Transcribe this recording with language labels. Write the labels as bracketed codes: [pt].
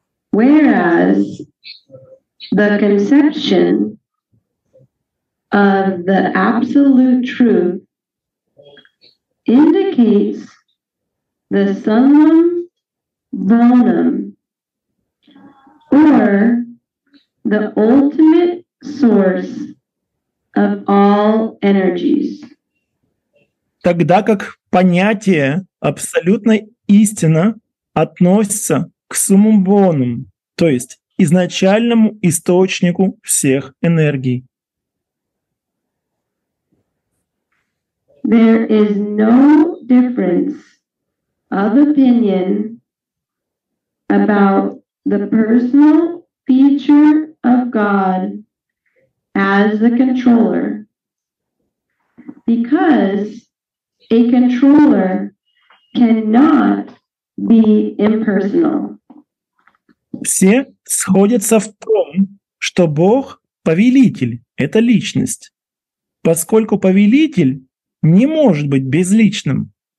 [en] Whereas the conception of the absolute truth indicates the sanum bonum, or the ultimate source of all energies. [ru] Тогда как понятие абсолютной истины относится к summum bonum, то есть изначальному источнику всех энергий. [en] There is no difference of opinion about the personal feature of God as the controller, because a controller cannot be impersonal. [ru] Все сходятся в том, что Бог – повелитель, это личность, поскольку повелитель не может быть безличным.